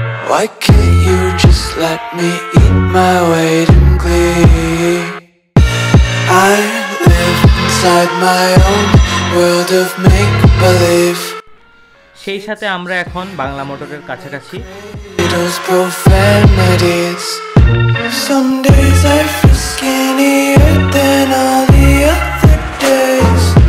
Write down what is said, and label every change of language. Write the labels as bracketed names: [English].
[English] Why can't you just let me eat my weight in glee? I live inside my own world of make-believe. [Bangla] সেই সাথে আমরা এখন বাংলা মোটরের কাছাকাছি। [English] Those profanities. Some days I feel skinnier than all the other days.